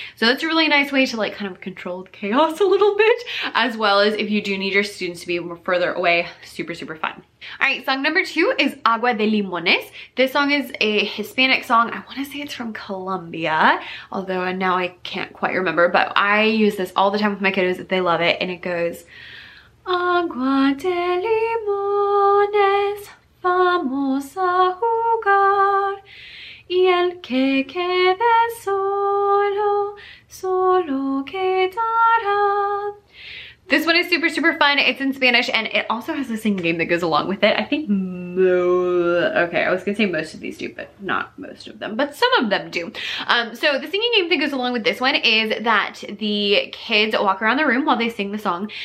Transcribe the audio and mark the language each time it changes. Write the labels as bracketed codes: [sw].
[en] So that's a really nice way to like kind of control the chaos a little bit, as well as if you do need your students to be further away, super, super fun. All right, song number two is Agua de Limones. This song is a Hispanic song. I wanna say it's from Colombia, although now I can't quite remember, but I use this all the time with my kiddos. They love it, and it goes, [es] Agua de Limones, vamos a jugar. Y el que quede solo, solo quedará. [en] This one is super, super fun. It's in Spanish and it also has the same game that goes along with it. I think I was gonna say most of these do, but not most of them, but some of them do. So the singing game that goes along with this one is that the kids walk around the room while they sing the song.